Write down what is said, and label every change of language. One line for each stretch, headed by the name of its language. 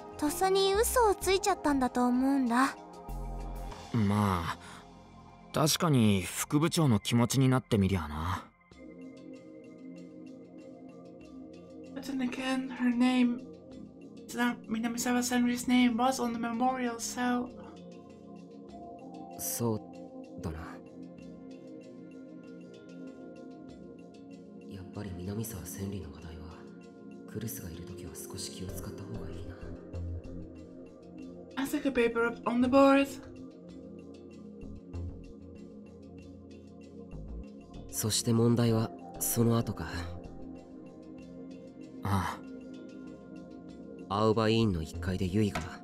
Japanese: とっさに嘘をついちゃったんだと思うんだ。まあ確かに副部長の気持ちになってみりゃな。
English: But then again, her name, Minamisawa Senri's name, was on the memorial, so.
Japanese: そうだな。やっぱり Minamisawa Senri の話題はクルスがいるときは少し気を使った方がいいな。
English: I took a paper up on the board.
Japanese: そして問題はその後か。ああ。アウバインの1階でユイが。